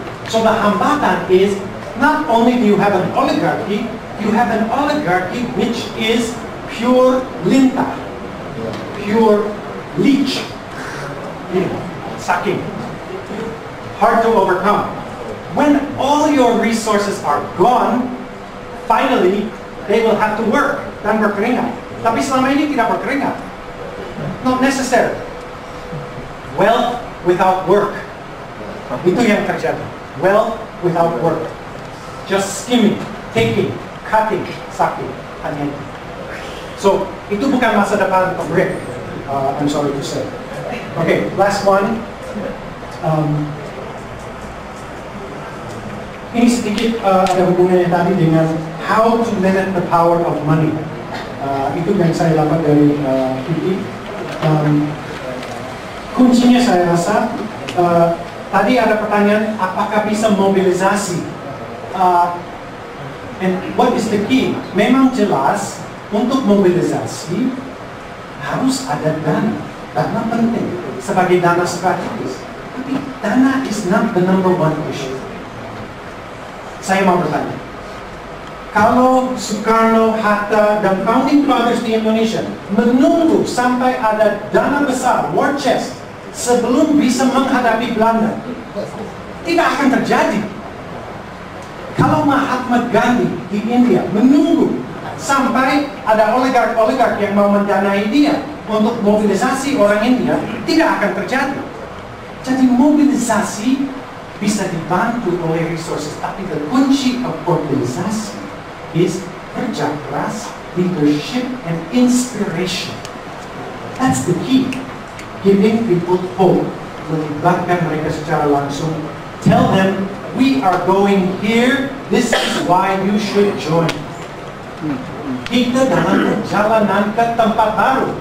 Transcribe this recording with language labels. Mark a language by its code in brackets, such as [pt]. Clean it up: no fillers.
[en] So the hambatan is, not only do you have an oligarchy, you have an oligarchy which is pure linta, pure leech, you know, sucking, hard to overcome. When all your resources are gone, finally, they will have to work. [id] Dan berkeringat. Tapi selama ini tidak berkeringat. [en] Not necessary. Wealth without work. [id] Itu yang terjadi. [en] Wealth without work. Just skimming, taking, cutting, sucking. [id] Hanya itu. So, itu bukan masa depan pabrik. [en] I'm sorry to say. Okay, last one. [id] Ini sedikit ada hubungannya tadi dengan [en] how to limit the power of money. [id] Itu yang saya dapat dari Kiki. Kuncinya saya rasa, tadi ada pertanyaan, apakah bisa mobilisasi? [en] And what is the key? [id] Memang jelas, untuk mobilisasi harus ada dana. Dana penting sebagai dana strategis. Tapi dana [en] is not the number one issue. [id] Saya mau bertanya, kalau Soekarno, Hatta, dan founding fathers di Indonesia menunggu sampai ada dana besar, war chest, sebelum bisa menghadapi Belanda, tidak akan terjadi. Kalau Mahatma Gandhi di India menunggu sampai ada oligark-oligark yang mau mendanai dia untuk mobilisasi orang India, tidak akan terjadi. Jadi mobilisasi bisa dibantu oleh resources, tapi the kunci of organisasi is kerja keras, leadership, and inspiration. [en] That's the key. Giving people hope, [id] melibatkan mereka secara langsung. [en] Tell them, we are going here, this is why you should join. [id] Kita dalam perjalanan ke tempat baru.